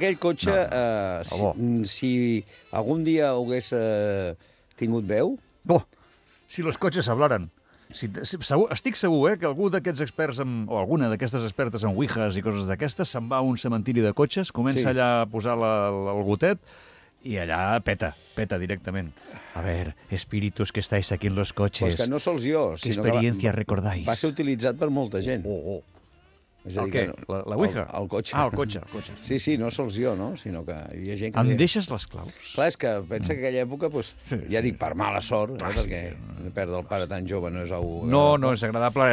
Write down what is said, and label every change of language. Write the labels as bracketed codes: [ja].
[ca] Aquell cotxe, si algun dia hagués tingut veu... [es] Si los cotxes hablaran. [ca] Estic segur que algú d'aquests experts, o alguna d'aquestes expertes en ouijas i coses d'aquestes, se'n va a un cementiri de cotxes, comença allà a posar el gotet... I allà peta directament. [es] A ver, espíritus que estáis aquí en los coches. [ca] Pues que no sols jo. [es] ¿Qué experiencia recordáis? [ca] Va ser utilitzat per molta gent. És el què? No, la ouija? El cotxe. Ah, el cotxe. Sí, no sols jo, no? Sinó que hi ha gent que... Em deixes les claus? Clar, és que pensa que aquella època, pues, sí, ja dic, per mala sort, perquè perdre el pare tan jove no és algú... No és agradable.